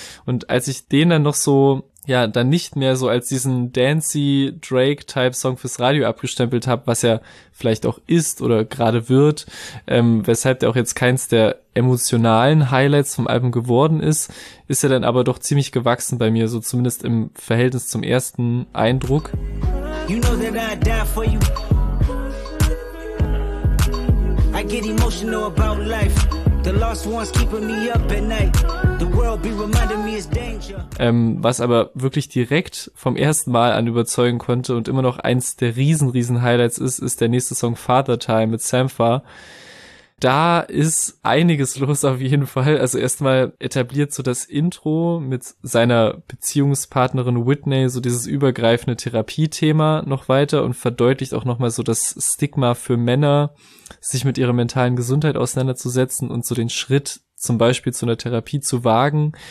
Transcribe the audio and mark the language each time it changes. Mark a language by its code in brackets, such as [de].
[de] Und als ich den dann noch so, ja, dann nicht mehr so als diesen dancey Drake-Type-Song fürs Radio abgestempelt habe, was er vielleicht auch ist oder gerade wird, weshalb der auch jetzt keins der emotionalen Highlights vom Album geworden ist, ist er dann aber doch ziemlich gewachsen bei mir, so zumindest im Verhältnis zum ersten Eindruck. [en] You know that I'd die for you. I get emotional about life. The lost ones keeping me up at night. The world be reminding me it's danger. [de] Was aber wirklich direkt vom ersten Mal an überzeugen konnte und immer noch eins der riesen Highlights ist, ist der nächste Song Father Time mit Sampha. Da ist einiges los auf jeden Fall. Also erstmal etabliert so das Intro mit seiner Beziehungspartnerin Whitney so dieses übergreifende Therapiethema noch weiter und verdeutlicht auch nochmal so das Stigma für Männer, sich mit ihrer mentalen Gesundheit auseinanderzusetzen und so den Schritt zum Beispiel zu einer Therapie zu wagen.